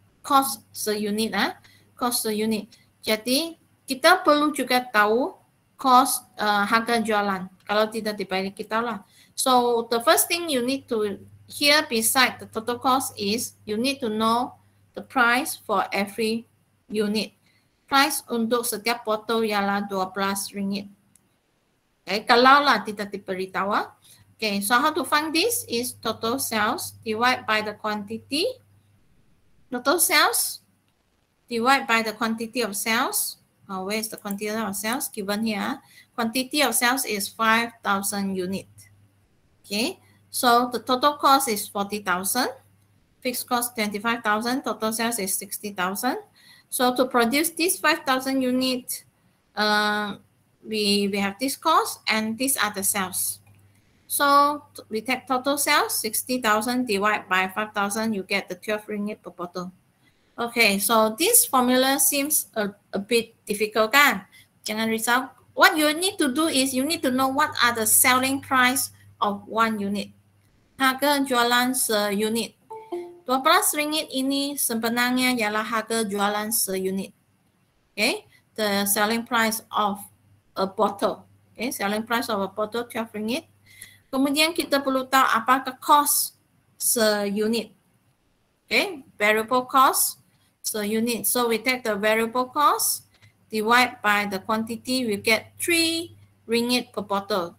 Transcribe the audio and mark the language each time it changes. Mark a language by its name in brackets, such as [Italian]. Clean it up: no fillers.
[English] Cost the unit. Cost the unit. [Malay] Jadi, kita perlu juga tahu cost harga jualan. Kalau tidak dibayar kita lah. [English] So, the first thing you need to hear beside the total cost is you need to know the price for every unit. [Malay] Price untuk setiap botol ialah RM12. Okay, kalau lah tidak diberitahu. [English] Okay, so how to find this is total sales divided by the quantity. Total sales divided by the quantity of sales. Where is the quantity of sales given here? Quantity of sales is 5,000 units. Okay, so the total cost is 40,000. Fixed cost 25,000. Total sales is 60,000. So to produce this 5,000 units, we have this cost and these are the sales. So we take total sales, 60,000 divided by 5,000, you get the RM12 per bottle. Okay, so this formula seems a bit difficult, kan? [Malay] Jangan risau. [English] What you need to do is you need to know what are the selling price of one unit. [Malay] Harga jualan seunit. RM12 ini sebenarnya ialah harga jualan seunit. [English] Okay, the selling price of a bottle. Okay, selling price of a bottle, RM12. [Malay] Kemudian kita perlu tahu apakah cost seunit. [English] Okay, variable cost seunit. So we take the variable cost divided by the quantity, we get RM3 per bottle.